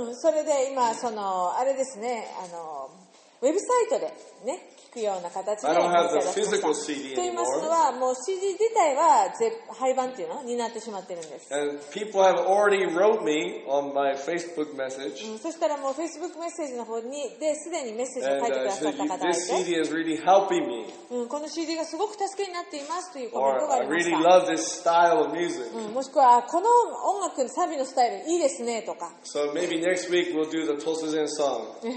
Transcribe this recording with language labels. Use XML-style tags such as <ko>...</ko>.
<ja>それで今そのあれですねウェブサイトでね聞くような形で</ja> <en>I don't have the physical CD anymore.</en> <ja>と言いますのはもう CD 自体は廃盤っていうのになってしまってるんです。</ja> <en>And people have already wrote me on my Facebook message.</en> <ja>そしたらもう Facebook メッセージの方にですでにメッセージを書いてくださった方がいて。</ja> <en>This CD is really helping me.</en> <ja>この CD がすごく助けになっていますというコメントがありました。</ja> <en>Or I really love this style of music.</en> <ja>もしくはこの音楽のサビのスタイルいいですねとか。</ja> <en>So maybe next week we'll do the 突然 song.</en>